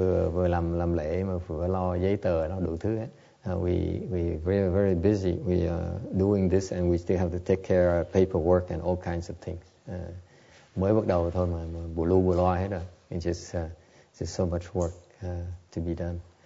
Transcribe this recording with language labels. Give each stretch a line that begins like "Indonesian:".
Vietnamese: Vừa làm lễ mà vừa lo giấy tờ nó đủ thứ hết.
English: We very very busy. We are doing this and we still have to take care of paperwork and all kinds of things.
Vietnamese: Mới bắt đầu thôi mà bù lu bù loa hết rồi.
English: It's just so much work to be done.